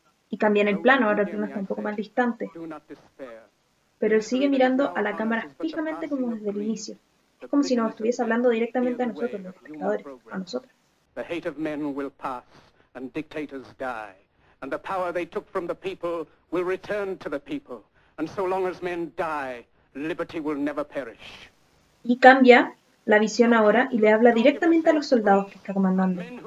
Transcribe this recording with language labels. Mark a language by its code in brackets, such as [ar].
[es] Y cambian el plano, ahora tenemos un poco más distante. Pero él sigue mirando a la cámara fijamente como desde el inicio. Es como si nos estuviese hablando directamente a nosotros, los espectadores, a nosotros. [en] The hate of men will pass and dictators die. And the power they took from the people will return to the people. And so long as men die, liberty will never perish. [es] Y cambia la visión ahora y le habla directamente a los soldados que está comandando.